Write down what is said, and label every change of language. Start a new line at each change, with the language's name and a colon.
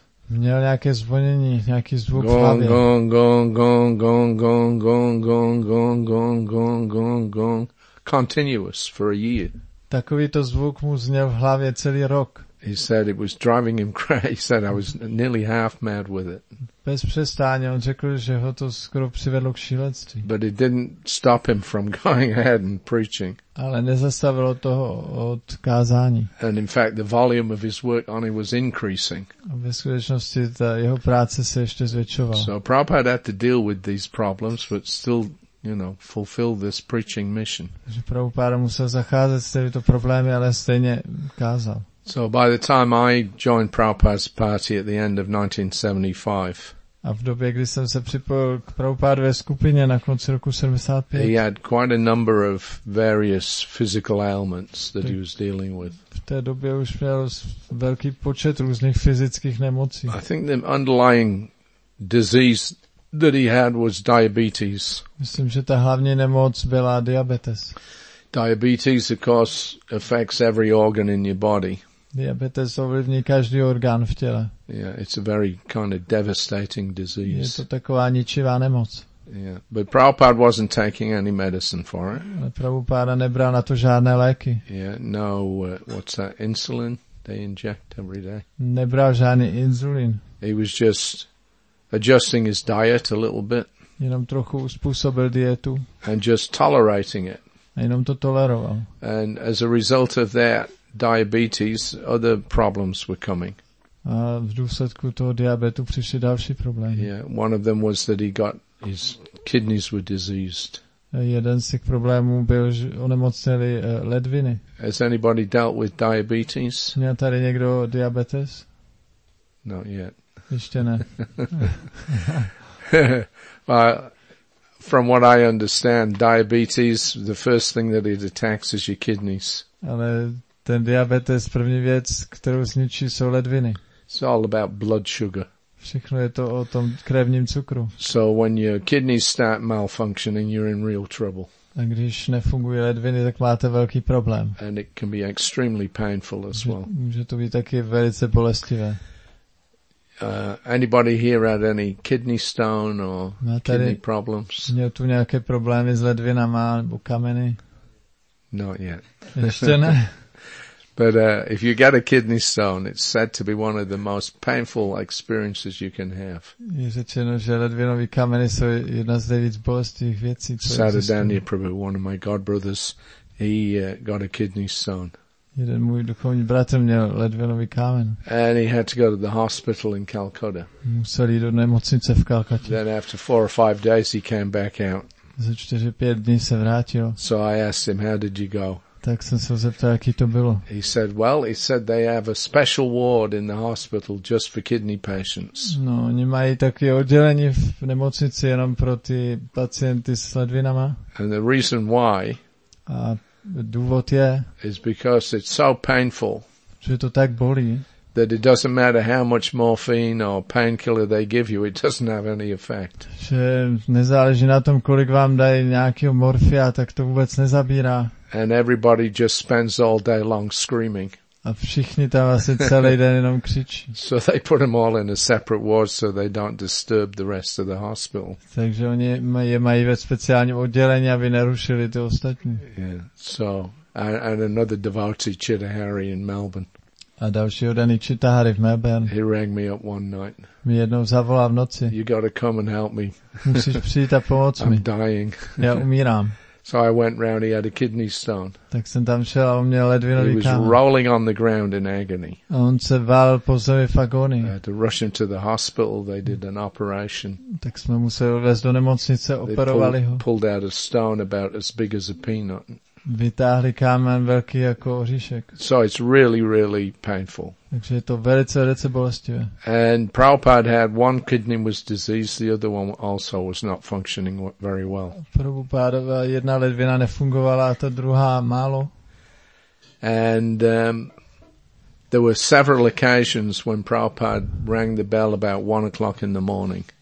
Czech: Měl nějaké zvonění, nějaký zvuk v hlavě. Gong, gong, gong, gong, gong, gong, gong, gong, gong, gong, gong, gong.
English: Continuous for a year.
Czech: Takovýto zvuk mu zněl v hlavě celý rok.
English: He said it was driving him crazy. He said I was nearly half mad with it.
Czech: Bez přestání, on řekl, že ho to skoro přivedlo k šílenství.
English: But it didn't stop him from going ahead and preaching.
Czech: Ale nezastavilo toho od kázání.
English: And in fact, the volume of his work only was increasing.
Czech: A ve skutečnosti ta jeho práce se ještě zvětšovala.
English: So Prabhupada had to deal with these problems, but still, you know, fulfill this preaching mission.
Czech: Že Prabhupada musel zacházet s těmito problémy, ale stejně kázal.
English: So by the time I joined Prabhupada's party at the end of 1975.
Czech: A v době, kdy jsem se připojil k Prabhupádově skupině na konci roku 75.
English: He had quite a number of various physical ailments that he was dealing with.
Czech: V té době už měl velký počet různých fyzických nemocí.
English: I think the underlying disease that he had was diabetes.
Czech: Myslím, že ta hlavní nemoc byla diabetes.
English: Diabetes, of course, affects every organ in your body.
Czech: Diabetes ovlivní každý orgán v těle.
English: Yeah, it's a very kind of devastating disease.
Czech: Je to taková ničivá nemoc.
English: Yeah, but Prabhupada wasn't taking any medicine for it.
Czech: Ale Prabhupada nebral na to žádné léky.
English: Yeah, no, what's that, insulin they inject every day?
Czech: Nebral žádný insulin.
English: He was just adjusting his diet a little bit.
Czech: Jenom trochu uspůsobil dietu.
English: And just tolerating it.
Czech: A jenom to toleroval.
English: And as a result of that diabetes, other problems were coming.
Czech: A v důsledku toho diabetu přišly další problémy.
English: Yeah, one of them was that he got his kidneys were diseased.
Czech: A jeden z těch problémů byl, že onemocněly ledviny.
English: Has anybody dealt with diabetes?
Czech: Měl tady někdo diabetes?
English: Not yet.
Czech: Ještě ne.
English: Well, from what I understand, diabetes, the first thing that it attacks is your kidneys.
Czech: Ale ten diabetes, první věc, kterou zničí, jsou ledviny.
English: It's all about blood sugar.
Czech: Všechno je to o tom krevním cukru.
English: So when your kidneys start malfunctioning, you're in real trouble.
Czech: A když nefungují ledviny, tak máte velký problém.
English: And it can be extremely painful as well.
Czech: Může to být taky velice bolestivé.
English: Anybody here had any kidney stone or kidney problems?
Czech: Měl tu nějaké problémy s ledvinama nebo kameny?
English: Not yet.
Czech: Ještě ne.
English: But if you get a kidney stone, it's said to be one of the most painful experiences you can have.
Czech: Je řečeno, že ledvinové kameny jsou jedna z nejvíc bolestivých věcí, co existují.
English: Sadadanya Prabhu, one of my god brothers, he got a kidney stone.
Czech: Jeden můj duchovní bratr měl ledvinový kámen.
English: And he had to go to the hospital in Calcutta.
Czech: Musel jít do nemocnice v Kalkatě.
English: Then after 4 or 5 days he came back out.
Czech: Za 4-5 dní se vrátil.
English: So I asked him, how did you go?
Czech: Tak jsem se zeptal, jaký to bylo.
English: He said, well, he said they have a special ward in the hospital just for kidney patients.
Czech: No, oni mají takové oddělení v nemocnici jenom pro ty pacienty s ledvinama.
English: And the reason why,
Czech: a důvod je,
English: is because it's so painful,
Czech: že to tak bolí,
English: that it doesn't matter how much morphine or painkiller they give you, it doesn't have any effect.
Czech: Že nezáleží na tom, kolik vám dají nějakého morfia, tak to vůbec nezabírá.
English: And everybody just spends all day long screaming.
Czech: A všichni tam asi celý den jenom křičí.
English: So they put them all in a separate ward so they don't disturb the rest of the hospital.
Czech: Takže oni je mají ve speciálním oddělení, aby nerušili ty ostatní.
English: Yeah. So, and another devotee, Chidahari in Melbourne.
Czech: A dalšího den i Čitahary v Melbourne.
English: He rang me up one night.
Czech: Mě jednou zavolal v noci.
English: You got to come and help me.
Czech: Musíš přijít a pomoct
English: I'm
Czech: mi.
English: I'm dying.
Czech: Já umírám.
English: So I went round, he had a kidney stone.
Czech: Tak jsem tam šel a on měl ledvinový kámen.
English: He was rolling on the ground in agony.
Czech: A on se vál po zemi v agonii.
English: I had to rush him to the hospital, they did an operation.
Czech: Tak jsme museli vést do nemocnice, operovali ho.
English: They pulled out a stone about as big as a peanut.
Czech: Vytáhli kámen velký jako oříšek.
English: So it's really, really painful.
Czech: Takže je to velice, velice bolestivé.
English: And Prabhupada had one kidney was diseased, the other one also was not functioning very well.
Czech: Prabhupada jedna ledvina nefungovala, a ta druhá málo.
English: And there were several occasions when Prabhupada rang the bell about 1 o'clock in the morning.